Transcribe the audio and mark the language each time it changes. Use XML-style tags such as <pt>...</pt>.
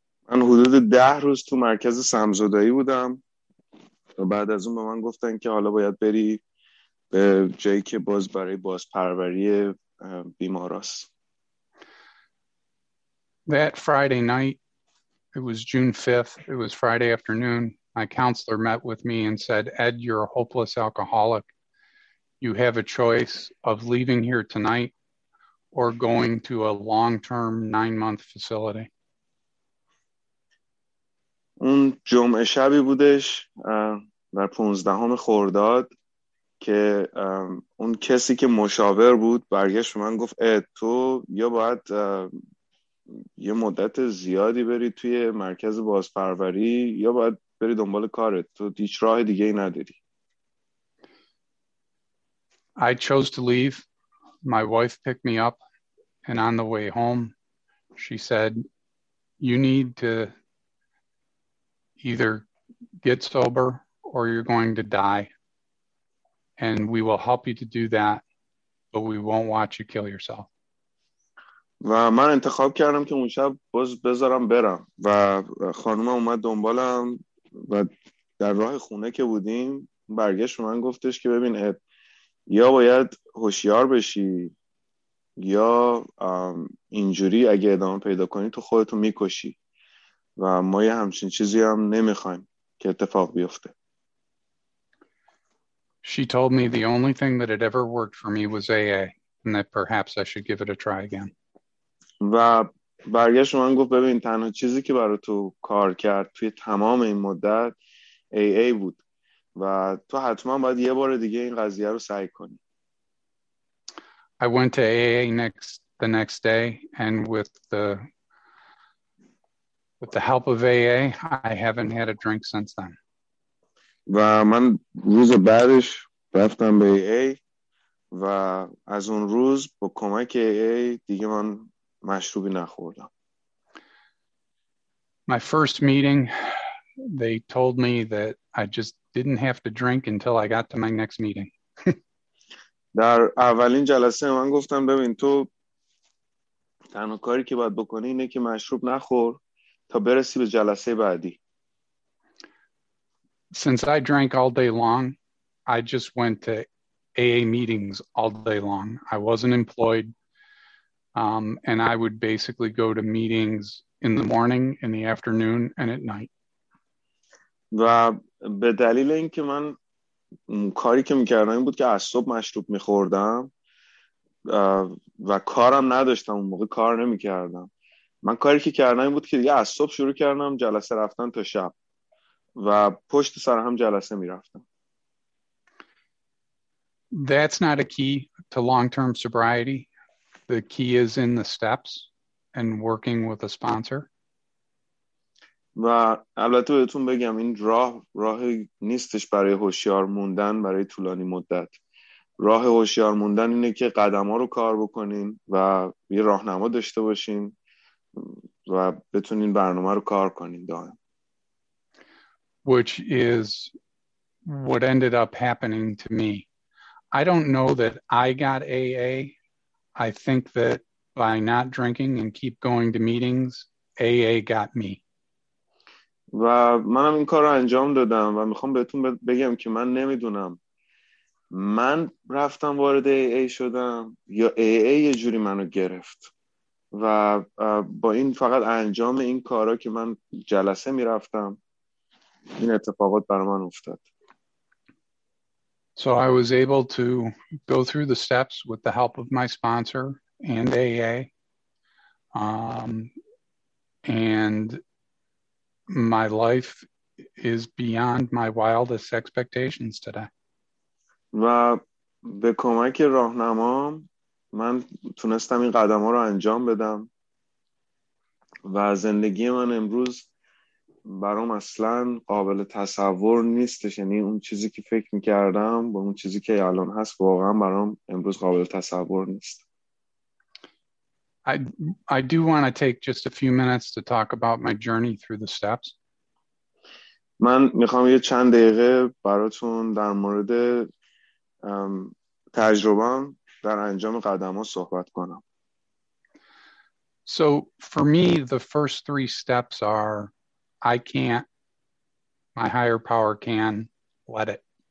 <fa>من حدود 10 روز تو مرکز سمزدایی بودم و بعد از اون به من گفتن که حالا باید بری به جایی که باز برای بازپروری بیماراست.</fa> <en>That Friday night, it was June 5th, it was Friday afternoon, my counselor met with me and said, Ed, you're a hopeless alcoholic. You have a choice of leaving here tonight or going to a long-term 9-month facility.</en> <fa>اون جمعه شبی بودش در 15 خرداد که اون کسی که مشاور بود برگشت من گفت اد تو یا باید یه مدت زیادی بری توی مرکز بازپروری یا باید بری دنبال کارت، تو هیچ راه دیگه ای نداری.</fa> <en>I chose to leave. My wife picked me up, and on the way home she said, you need to either get sober or you're going to die, and we will help you to do that, but we won't watch you kill yourself.</en> <fa>و من انتخاب کردم که اون شب باز بذارم برم و خانومم اومد دنبالم و در راه خونه که بودیم برگشت و من گفتش که ببین اد، یا باید هوشیار بشی یا اینجوری اگه ادامه پیدا کنی تو خودتو میکشی و ما یه همچین چیزی هم نمیخوایم که اتفاق بیفته.</fa> <en>She told me the only thing that had ever worked for me was AA and that perhaps I should give it a try again.</en> <fa>و برگشت من گفت ببین تنها چیزی که برای تو کار کرد توی تمام این مدت AA بود و تو حتما باید یه بار دیگه این قضیه رو سعی کنی.</fa> <en>I went to AA the next day, and with the help of AA I haven't had a drink since then.</en> <fa>و من روز بعدش رفتم به AA و از اون روز با کمک AA دیگه من مشروبی نخوردم.</fa> <en>My first meeting, they told me that I just didn't have to drink until I got to my next meeting.</en> <fa>در اولین جلسه من گفتم ببین تو تنها کاری که باید بکنی اینه که مشروب نخور تا برسی به جلسه بعدی.</fa> <en>Since I drank all day long, I just went to AA meetings all day long. I wasn't employed. And I would basically go to meetings in the morning, in the afternoon, and at night.</en> <fa>و به دلیل اینکه من کاری که میکردم این بود که از صبح مشروب میخوردم و کارم نداشتم، اون موقع کار نمیکردم. من کاری که کردم این بود که دیگه از صبح شروع کردم جلسه رفتن تا شب و پشت سر هم جلسه میرفتم.</fa> <en>That's not a key to long-term sobriety. The key is in the steps and working with a sponsor.</en> <fa>و البته بهتون بگم این راه نیستش برای هوشیار موندن برای طولانی مدت. راه هوشیار موندن اینه که قدم‌ها رو کار بکنین و یه راهنما داشته باشین و بتونین برنامه رو کار کنین دائم.</fa> <en>Which is what ended up happening to me. I don't know that I got AA. I think that by not drinking and keep going to meetings, AA got me.</en> <fa>و منم این کار رو انجام دادم و میخوام بهتون بگم که من نمیدونم من رفتم وارد AA شدم یا AA یه جوری منو گرفت. و با این فقط انجام این کارا که من جلسه می رفتم این اتفاقات بر من افتاد.</fa> <en>So I was able to go through the steps with the help of my sponsor and AA. And my life is beyond my wildest expectations today.</en> <fa>و به کمک راهنمام من تونستم این قدم ها رو انجام بدم و زندگی من امروز برام اصلا قابل تصور نیستش، یعنی اون چیزی که فکر میکردم با اون چیزی که الان هست واقعا برام امروز قابل تصور نیست.</fa> <en>I do want to take just a few minutes to talk about my journey through the steps.</en> <fa>من میخوام یه چند دقیقه براتون در مورد تجربه‌ام در انجام قدم ها صحبت کنم.</fa> <en>So for me the first three steps are I can't, my higher power can, let it.</en>